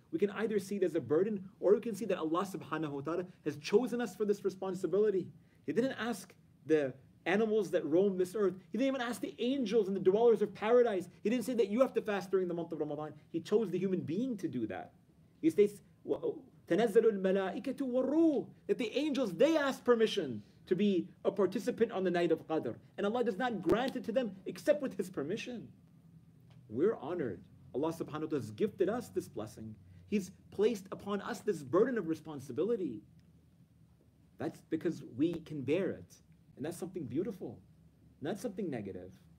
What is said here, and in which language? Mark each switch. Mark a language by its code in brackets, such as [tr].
[en] We can either see it as a burden, or we can see that Allah subhanahu wa ta'ala has chosen us for this responsibility. He didn't ask the animals that roam this earth. He didn't even ask the angels and the dwellers of paradise. He didn't say that you have to fast during the month of Ramadan. He chose the human being to do that. He states, [ar] تَنَزَّلُ الْمَلَائِكَةُ وَالرُّوحُ. [en] That the angels, they ask permission to be a participant on the night of Qadr. And Allah does not grant it to them except with His permission. We're honored. Allah subhanahu wa ta'ala has gifted us this blessing. He's placed upon us this burden of responsibility. That's because we can bear it. And that's something beautiful, not something negative.